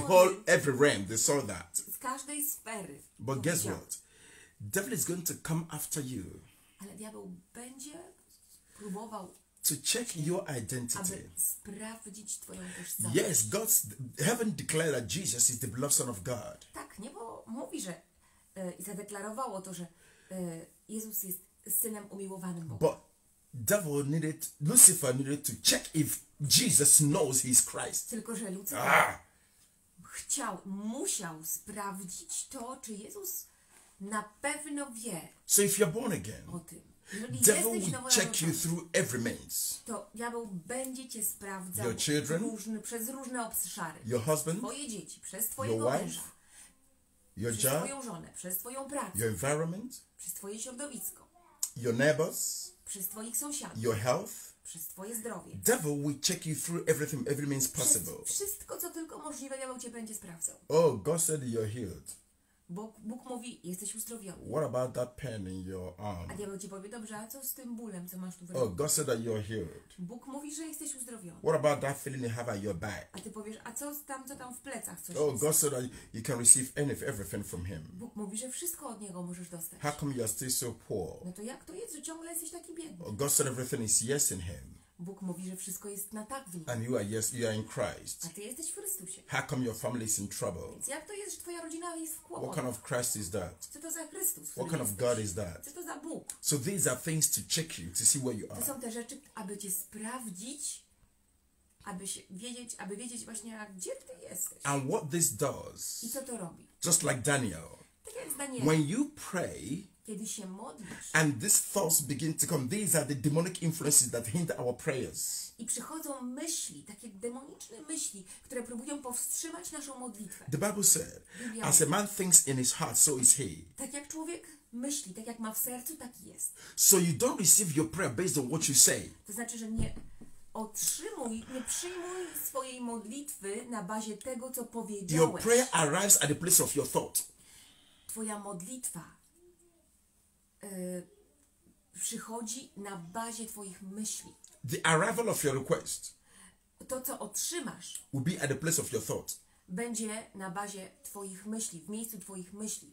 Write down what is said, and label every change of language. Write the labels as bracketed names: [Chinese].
[English] the whole every realm, they saw that. [Polish] Z każdej sfery. [English] But guess what? Devil is going to come after you. [Polish] Ale diabeł będzie próbował. [English] To check your identity. [Polish] Sprawdzić twoją tożsamość. [English] Yes, God's heaven declared that Jesus is the beloved Son of God. [Polish] Tak, niebo mówi, że i zadeklarowało to, że Jezus jest synem umiłowanym Boga. [English] But devil needed, Lucifer needed to check if Jesus knows he's Christ. [Polish] Tylko że Lucifer chciał, musiał sprawdzić to, czy Jezus na pewno wie. [English] So if you're born again. [Polish] O tym. [English] Devil will check you through every means. [Polish] To diabeł będzie cię sprawdzał. [English] Your children, [Polish] przez różne obszary. [English] Your husband, [Polish] twoje dzieci, przez twojego męża. [English] Your [Polish] przez [English] job, [Polish] twoją żonę, przez twoją pracę. [English] Your environment, [Polish] przez twoje środowisko. [English] Your neighbors, [Polish] przez twoich sąsiadów. [English] Your health, [Polish] przez twoje zdrowie. [English] Devil will check you through everything, every means possible. [Polish] Przez wszystko, co tylko możliwe, diabeł cię będzie sprawdzał. [English] Oh, God said you're healed. [Polish] Bóg mówi, jesteś uzdrowiony. [English] What about that pain in your arm? [Polish] A diabeł ci powie, dobrze, a co z tym bólem, co masz tu w ręku? [English] Oh, God said that you're healed. [Polish] Bóg mówi, że jesteś uzdrowiony. [English] What about that feeling you have at your back? [Polish] A ty powiesz, a co tam w plecach, coś oh, jest? [English] God said that you can receive anything, everything from him. [Polish] Bóg mówi, że wszystko od niego możesz dostać. [English] How come you're still so poor? [Polish] No to jak to jest, że ciągle jesteś taki biedny? [English] Oh, God said everything is yes in him. [Polish] Bóg mówi, że wszystko jest na tak w nim. [English] And you are yes, you are in Christ. [Polish] A ty jesteś w Chrystusie. [English] How come your family is in trouble? [Polish] Więc jak to jest, że twoja rodzina jest w kłopotach? [English] What kind of Christ is that? [Polish] Co to za Chrystus? [English] What kind of God is that? [Polish] Co to za Bóg? [English] So these are things to check you, to see where you are. [Polish] To są te rzeczy, aby cię sprawdzić, aby wiedzieć właśnie, gdzie ty jesteś. [English] And what this does? [Polish] I co to robi? [English] Just like Daniel. [Polish] Tak jak Daniel. [English] When you pray. [Polish] Kiedy się modlisz. [English] And these thoughts begin to come. These are the demonic influences that hinder our prayers. [Polish] I przychodzą myśli, takie demoniczne myśli, które próbują powstrzymać naszą modlitwę. [English] The Bible said, as a man thinks in his heart, so is he. [Polish] Tak jak człowiek myśli, tak jak ma w sercu, taki jest. [English] So you don't receive your prayer based on what you say. [Polish] To znaczy, że nie otrzymuj, nie przyjmuj swojej modlitwy na bazie tego, co powiedziałeś. [English] Your prayer arrives at the place of your thought. [Polish] Twoja modlitwa przychodzi na bazie twoich myśli. [English] The arrival of your request. [Polish] To, co otrzymasz, [English] will be at the place of your thought. [Polish] Będzie na bazie twoich myśli, w miejscu twoich myśli.